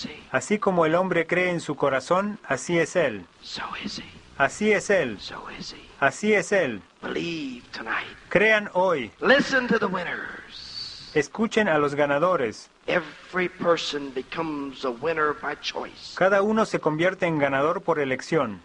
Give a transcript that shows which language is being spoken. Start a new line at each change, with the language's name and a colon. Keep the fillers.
Spanish: Así como el hombre cree en su corazón, así es él. Así es él. Así es él.
English: Believe tonight.
Spanish: Crean hoy.
English: Listen to the winners.
Spanish: Escuchen a los ganadores.
English: Every person becomes a winner by choice.
Spanish: Cada uno se convierte en ganador por elección.